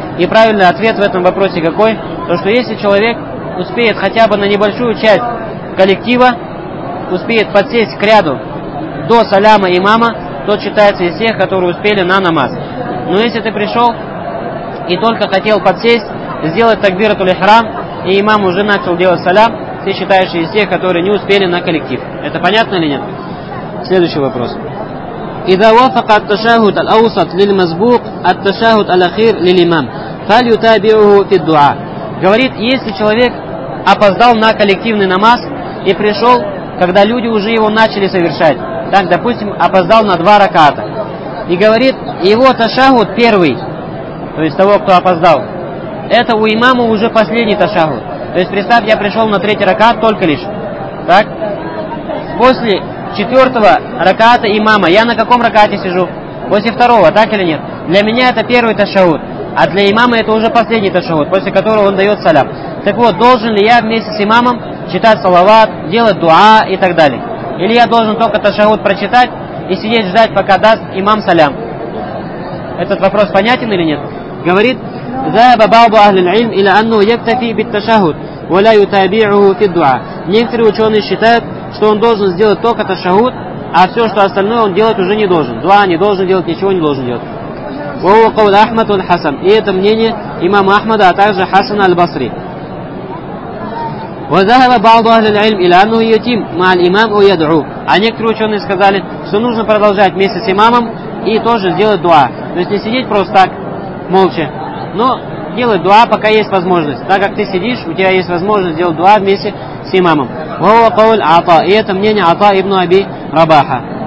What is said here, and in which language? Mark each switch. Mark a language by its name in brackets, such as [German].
[Russian] И правильный ответ в этом вопросе какой? То, что если человек успеет хотя бы на небольшую часть коллектива, успеет подсесть к ряду до саляма имама, тот считается из тех, которые успели на намаз. Но если ты пришел и только хотел подсесть, сделать такбиратуль ихрам, и имам уже начал делать салям, ты считаешь из тех, которые не успели на коллектив. Это понятно или нет? Следующий вопрос. [Arabic] إذا وافق التشهد الأوسط للمسبوق التشهد الأخير للإمام فليتابعه في الدعاء. [Russian] Говорит, если человек опоздал на коллективный намаз и пришел, когда люди уже его начали совершать, так, допустим, опоздал на 2 раката, и говорит, его ташахуд первый, то есть того, кто опоздал, это у имама уже последний ташахуд. То есть представь, я пришел на 3 ракат только лишь, так, после 4 раката имама, я на каком ракате сижу? После 2, так или нет? Для меня это первый ташахуд, а для имама это уже последний ташахуд, после которого он дает салям. Так вот, должен ли я вместе с имамом читать салават, делать дуа и так далее? Или я должен только ташахуд прочитать и сидеть ждать, пока даст имам салям? Этот вопрос понятен или нет? Говорит, [Arabic] ذهب بعض أهل العلم إلى أنه يكتفي بالتشهد ولا يتابعه في الدعاء. [Russian] Некоторые ученые считают, что он должен сделать только ташахуд, а все, что остальное, он делать уже не должен. Дуа не должен делать, ничего не должен делать. [Arabic] وهو قول أحمد والحسن. [Russian] И это мнение имама Ахмада, а также Хасана аль-Басри. [Arabic] وذهب بعض أهل العلم إلى أنه يتم مع الإمام ويدعو. [Russian] А некоторые ученые сказали, что нужно продолжать вместе с имамом и тоже сделать дуа. То есть не сидеть просто так, молча, но делать дуа, пока есть возможность. Так как ты сидишь, у тебя есть возможность сделать дуа вместе с имамом. [Arabic] وهو قول عطاء. [Russian] И это мнение عطاء ابن أبي رباحة.